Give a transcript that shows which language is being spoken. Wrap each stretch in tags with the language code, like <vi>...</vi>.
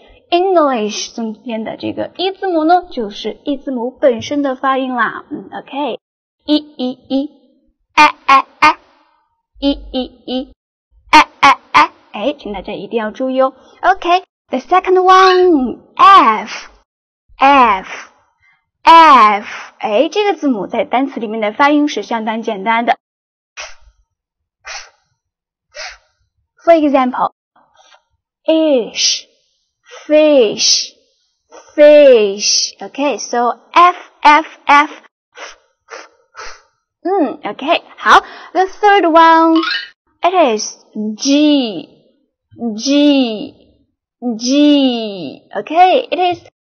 <zh>English 中间的这个 E 字母呢，就是 E 字母本身的发音啦。 OK， E E E， I I I， E E E， I I I， 哎，请大家一定要注意哦。</zh> <en>OK，The second one F F。</en> <zh>F， 哎，这个字母在单词里面的发音是相当简单的。</zh> <en>For example, fish, fish, fish. OK, so F, F, F. OK, 好。The third one, it is G, G, G. OK, it is.</en>